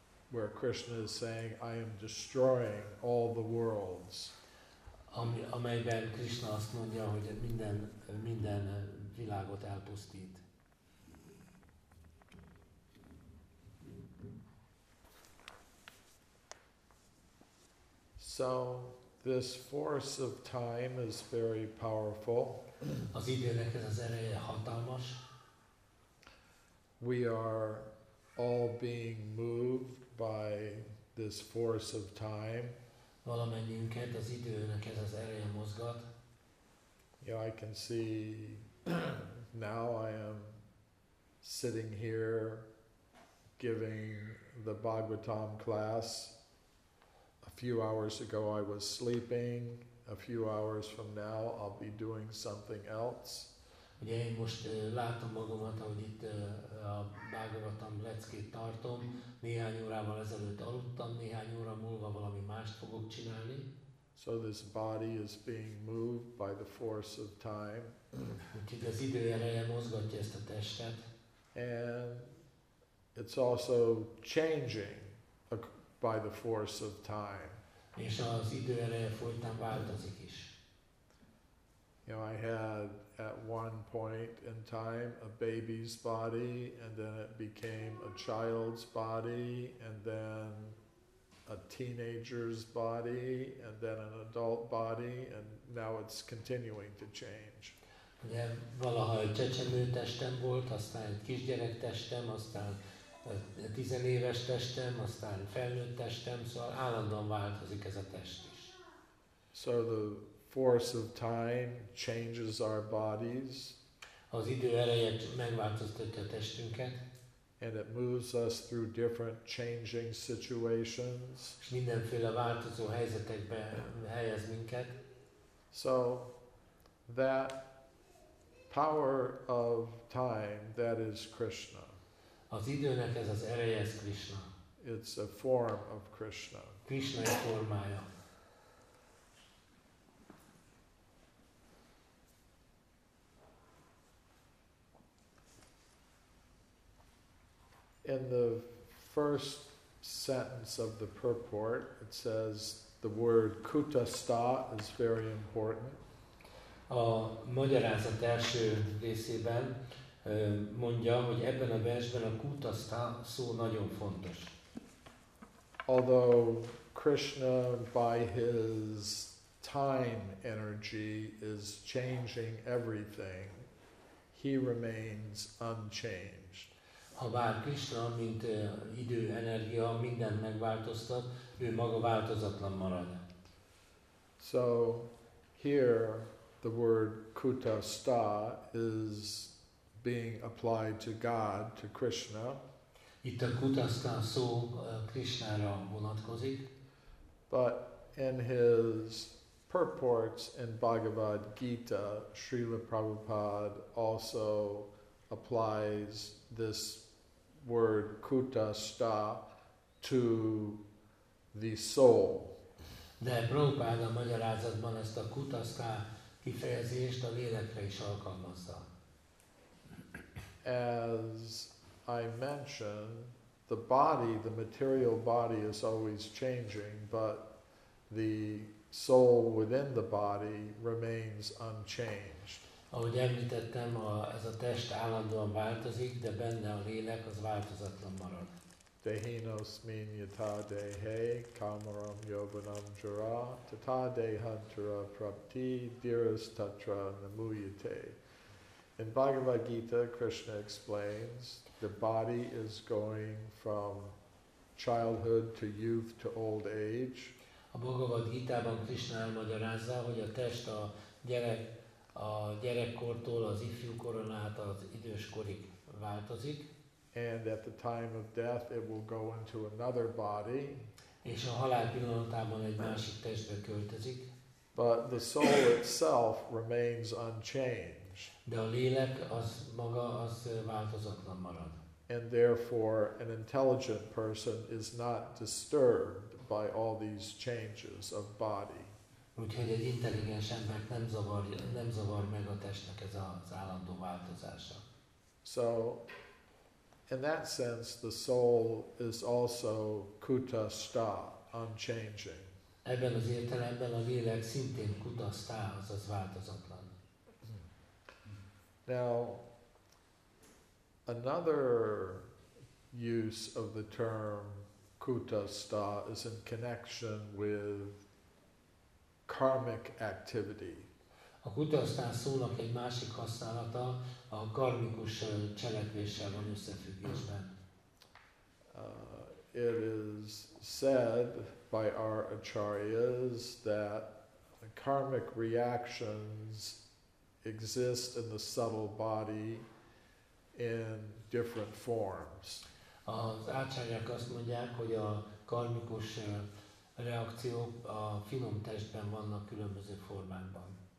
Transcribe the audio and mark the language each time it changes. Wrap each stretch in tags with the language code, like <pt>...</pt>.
<en>Where Krishna is saying, I am destroying all the worlds.</en> <hu>Amelyben Krishna azt mondja, hogy minden világot elpusztít.</hu> <en>So this force of time is very powerful.</en> <hu>Az időnek ez az ereje hatalmas.</hu> <en>We are all being moved by this force of time.</en> <hu>Valamennyünket az időnek ez az ereje mozgat.</hu> <en>You know, I can see now I am sitting here giving the Bhagavatam class. A few hours ago I was sleeping. A few hours from now I'll be doing something else.</en> <hu>Ugye én most látom magamat, ahogy itt a Bhagavatam leckét tartom. Néhány órával ezelőtt aludtam, néhány óra múlva valami mást fogok csinálni.</hu> <en>So this body is being moved by the force of time.</en> <hu>Úgyhogy az idő ereje mozgatja ezt a testet.</hu> <en>And it's also changing by the force of time.</en> <hu>És az idő ereje folytán változik is.</hu> <en>You know, I had at one point in time a baby's body, and then it became a child's body, and then a teenager's body, and then an adult body, and now it's continuing to change.</en> <hu>Ugye valaha egy csecsemő testem volt, aztán egy kisgyerek testem, aztán tizenéves testem, aztán felnőtt testem, szóval állandóan változik ez a test is.</hu> <en>So the force of time changes our bodies.</en> <hu>Az idő ereje megváltoztatja testünket.</hu> <en>And it moves us through different changing situations.</en> <hu>És mindenféle változó helyzetekbe helyez minket.</hu> <en>So that power of time, that is Krishna.</en> <hu>Az időnek ez az ereje, ez Krishna.</hu> <en>It's a form of Krishna.</en> <hu>Krishna formája.</hu> <en>In the first sentence of the purport, it says the word kutasta is very important.</en> <hu>A magyarázat első részében mondja, hogy ebben a versben a kutasta szó nagyon fontos.</hu> <en>Although Krishna, by his time energy, is changing everything, he remains unchanged.</en> <hu>Ha bár Krishna, mint idő, energia, mindent megváltoztat, ő maga változatlan marad.</hu> <en>So, here the word kutasta is being applied to God, to Krishna.</en> <hu>Itt a kutasta szó Krishnára vonatkozik.</hu> <en>But in his purports in Bhagavad Gita, Srila Prabhupada also applies this word kutasta to the soul.</en> <hu>De Prabhupada magyarázatban ezt a kutasta kifejezést a lélekre is alkalmazza.</hu> <en>As I mentioned, the body, the material body is always changing, but the soul within the body remains unchanged.</en> <hu>Ahogy említettem, ez a test állandóan változik, de benne a lélek az változatlan marad.</hu> <sa>Dehino smin yata dehe kamaram yobanam jara tata dehantara prapti diras tatra namuyate.</sa> <en>In Bhagavad Gita, Krishna explains the body is going from childhood to youth to old age.</en> <hu>A Bhagavad Gita-ban Krishna elmagyarázza, hogy a test a gyerekkortól az ifjú koron át az időskorig változik.</hu> <en>And at the time of death it will go into another body.</en> <hu>És a halál pillanatában egy másik testbe költözik.</hu> <en>But the soul itself remains unchanged.</en> <hu>De a lélek az maga az változatlan marad.</hu> <en>And therefore an intelligent person is not disturbed by all these changes of body.</en> <hu>Úgyhogy egy intelligens embert nem zavar meg a testnek ez az állandó változása.</hu> <en>So, in that sense, the soul is also kutasta, unchanging.</en> <hu>Ebben az értelemben a lélek szintén kutasta, azaz változatlan.</hu> <en>Now, another use of the term kutasta is in connection with karmic activity.</en> <hu>A kutasztán szónak egy másik használata a karmikus cselekvéssel van összefüggésben.</hu> <en>It is said by our acharyas that karmic reactions exist in the subtle body in different forms.</en> <hu>Az ácsányák azt mondják, hogy a karmikus reakciók a finom testben vannak különböző formákban.</hu>